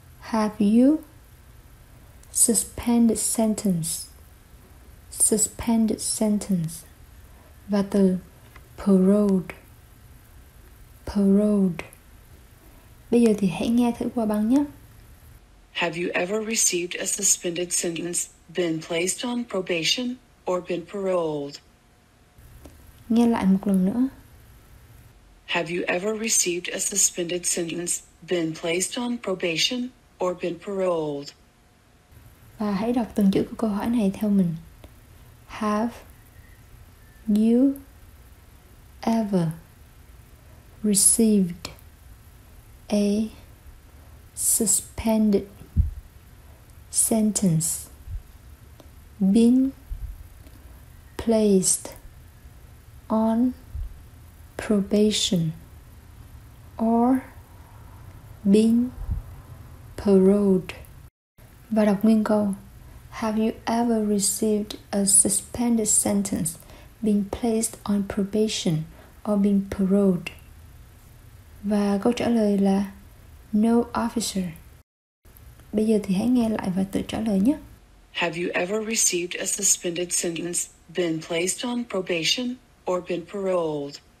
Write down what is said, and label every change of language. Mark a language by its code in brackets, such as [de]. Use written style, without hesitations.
[en] Have you suspended sentence. [vi] Và từ paroled. Bây giờ thì hãy nghe thử qua băng nhé. [en] Have you ever received a suspended sentence, been placed on probation, or been paroled? [vi] Nghe lại một lần nữa. [en] Have you ever received a suspended sentence, been placed on probation, or been paroled? [vi] Và hãy đọc từng chữ của câu hỏi này theo mình. [en] Have you ever received a suspended sentence, been placed on probation, or been paroled? [vi] Và đọc nguyên câu. [en] Have you ever received a suspended sentence, been placed on probation, or been paroled? [vi] Và câu trả lời là [en] no, officer. [vi] Bây giờ thì hãy nghe lại và tự trả lời nhé. [en] Have you ever received a suspended sentence, been placed on probation, or been paroled?